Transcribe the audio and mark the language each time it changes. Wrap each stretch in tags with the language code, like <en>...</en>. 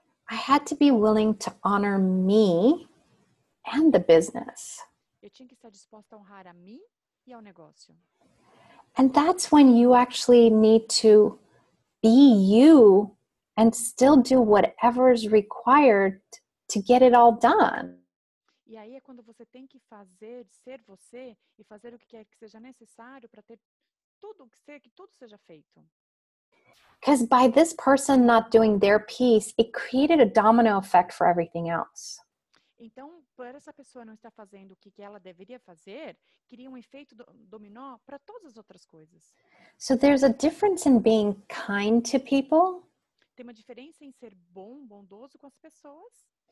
<en>I had to be willing to honor me and the business.</en> <pt>Eu tinha que estar disposta a honrar a mim e ao negócio.</pt> <en>And that's when you actually need to be you and still do whatever is required to get it all done.</en> <pt>E aí é quando você tem que fazer, ser você e fazer o que quer que seja necessário para ter tudo, que tudo seja feito.</pt> <en>Because by this person not doing their piece, it created a domino effect for everything else.</en> <pt>Então, por essa pessoa não estar fazendo o que ela deveria fazer, cria um efeito dominó para todas as outras coisas.</pt> <en>So there's a difference in being kind to people.</en> <pt>Tem uma diferença em ser bom, bondoso com as pessoas.</pt>